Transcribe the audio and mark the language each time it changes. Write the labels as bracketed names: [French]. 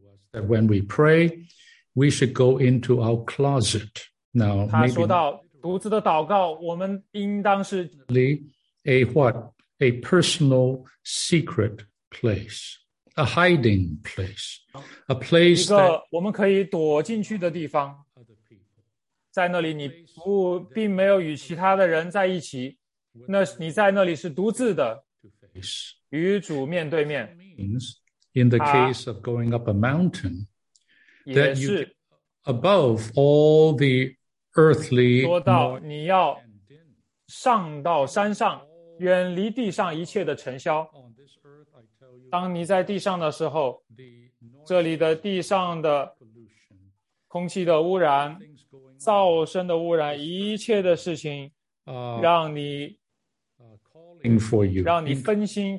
[English] That when we pray, we should go into our closet. Now, [Chinese] 他说到独自的祷告，我们应当是 [English] a what? A personal secret place, a hiding place, a place that [Chinese] 一个我们可以躲进去的地方，在那里你不并没有与其他的人在一起，那你在那里是独自的，与主面对面。 [English] In the case of going up a mountain, that you above all the earthly. [Chinese] 说到你要上到山上，远离地上一切的尘嚣。当你在地上的时候，这里的地上的空气的污染、噪声的污染，一切的事情，让你分心。